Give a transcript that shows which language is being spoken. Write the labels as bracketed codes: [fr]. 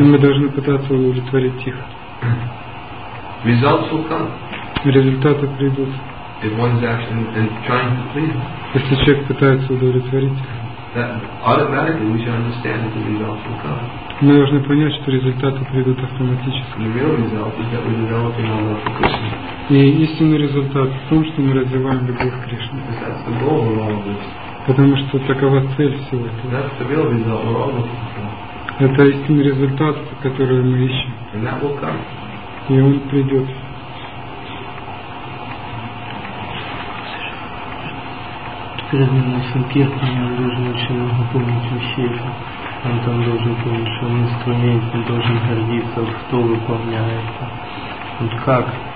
[ru] И мы должны пытаться удовлетворить их. Результаты придут. Если человек пытается удовлетворить их. [en] Automatically, we should understand that the results will come. [ru] Мы должны понять, что результаты придут автоматически. [en] The real result is that we develop in our love for Krishna. [ru] И истинный результат в том, что мы развиваем любовь к Кришне. [en] Because that's the goal of all of this. [ru] Потому что такова цель всего этого. [en] That's the real result we're all looking for. [ru] Это истинный результат, который мы ищем. [en] And that will come. [ru] И он придет. Когда мы на Санкирте, нам нужно очень много помнить вещей. Он там должен помнить, что он инструмент, он должен гордиться, кто выполняет. Вот как?